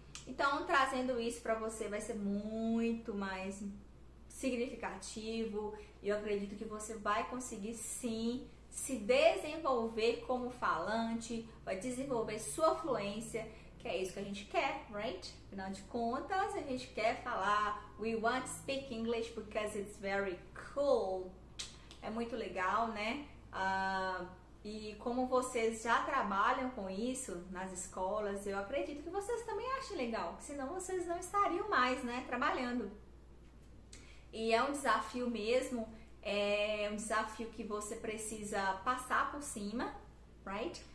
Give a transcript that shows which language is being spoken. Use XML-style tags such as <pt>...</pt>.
<pt>Então, trazendo isso para você vai ser muito mais significativo e eu acredito que você vai conseguir sim se desenvolver como falante, vai desenvolver sua fluência, que é isso que a gente quer, right? Afinal de contas, a gente quer falar,</pt> <en>we want to speak English because it's very cool.</en> <pt>É muito legal, né? E como vocês já trabalham com isso nas escolas, eu acredito que vocês também achem legal, senão vocês não estariam mais, né, trabalhando. E é um desafio mesmo, é um desafio que você precisa passar por cima, right?</pt>